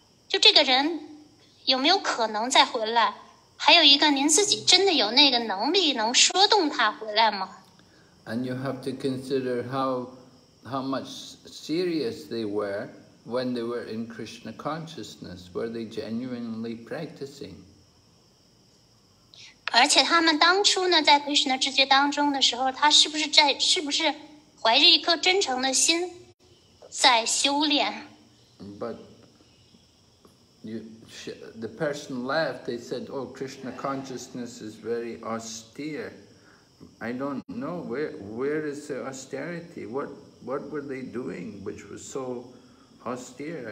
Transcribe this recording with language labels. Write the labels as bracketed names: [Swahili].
[Chinese] 您自己得权衡和考虑一下，就这个人有没有可能再回来？还有一个，您自己真的有那个能力能说动他回来吗？ [English] And you have to consider how much serious they were when they were in Krishna consciousness. Were they genuinely practicing? [Chinese] 而且他们当初呢，在 Krishna 知觉当中的时候，他是不是怀着一颗真诚的心在修炼？ [English] But you. The person left, they said, oh, Krishna consciousness is very austere. I don't know, where is the austerity? What were they doing which was so austere?